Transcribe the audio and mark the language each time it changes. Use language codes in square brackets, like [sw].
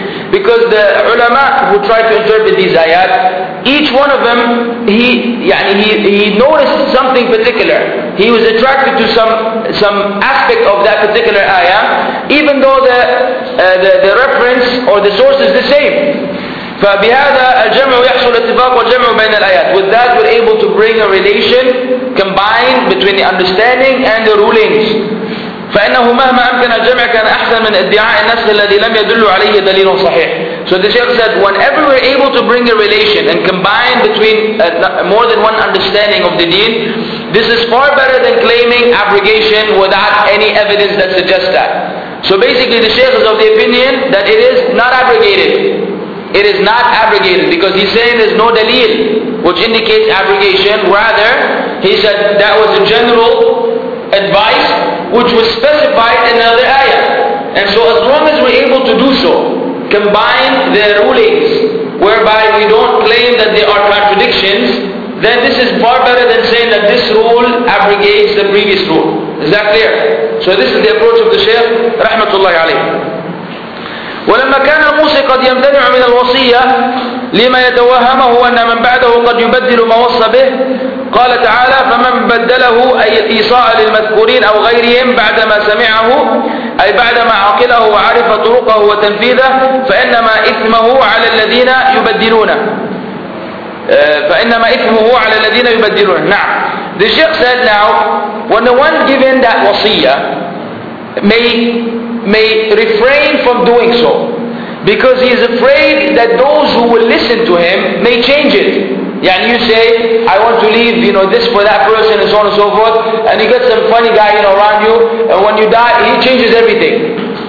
[en] Because the ulama who tried to interpret these ayat, each one of them, he noticed something particular. He was attracted to some aspect of that particular ayah, even though the reference or the source is the same. [ar] فبهذا الجمع يحصل اتفاق والجمع بين الآيات. [en] With that we're able to bring a relation combined between the understanding and the rulings. [ar] فإنه مهما أمكن الجمع كان أحسن من ادعاء النسل الذي لم يدل عليه دليل صحيح. [en] So the Shaykh said, whenever we're able to bring a relation and combine between more than one understanding of the deen, this is far better than claiming abrogation without any evidence that suggests that. So basically the Shaykh is of the opinion that it is not abrogated. It is not abrogated because he's saying there's no dalil which indicates abrogation. Rather, he said that was a general advice which was specified in another ayah. And so as long as we're able to do so, combine the rulings whereby we don't claim that they are contradictions, then this is far better than saying that this rule abrogates the previous rule. Is that clear? So this is the approach of the Shaykh rahmatullahi alayhi. [ar] ولما كان الموصي قد يمتنع من الوصية لما يتوهمه أن من بعده قد يبدل ما وصى به قال تعالى فمن بدله أي الإيصاء للمذكورين أو غيرهم بعدما سمعه أي بعدما عقله وعرف طرقه وتنفيذه فإنما إثمه على الذين يبدلونه فإنما إثمه على الذين يبدلونه. نعم. [en] The Sheikh said now when the one given that wasiyah may refrain from doing so because he is afraid that those who will listen to him may change it. Yeah, and you say, I want to leave, you know, this for that person and so on and so forth, and you get some funny guy, you know, around you, and when you die, he changes everything.